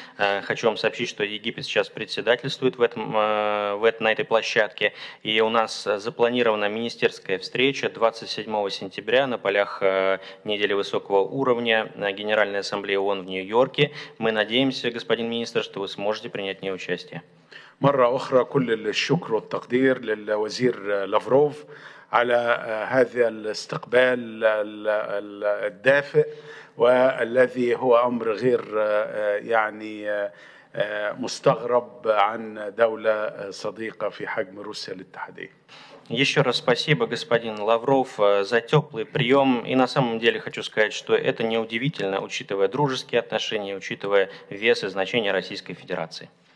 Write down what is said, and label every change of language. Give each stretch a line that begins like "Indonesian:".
Russian: Хочу вам сообщить, что Египет сейчас председательствует на этой площадке. И у нас запланирована министерская встреча 27 сентября на полях недели высокого уровня Генеральной Ассамблеи ООН в Нью-Йорке. Мы надеемся, господин министр, что вы сможете принять в ней участие.
Arabic: مرة أخرى كل الشكر والتقدير للوزير لافروف على هذا الاستقبال الدافئ والذي هو أمر غير يعني مستغرب عن دولة صديقة في حجم روسيا الاتحادية.
Russian: Еще раз спасибо, господин Лавров, за теплый прием. И на самом деле хочу сказать, что это неудивительно, учитывая дружеские отношения, учитывая вес и значение Российской Федерации.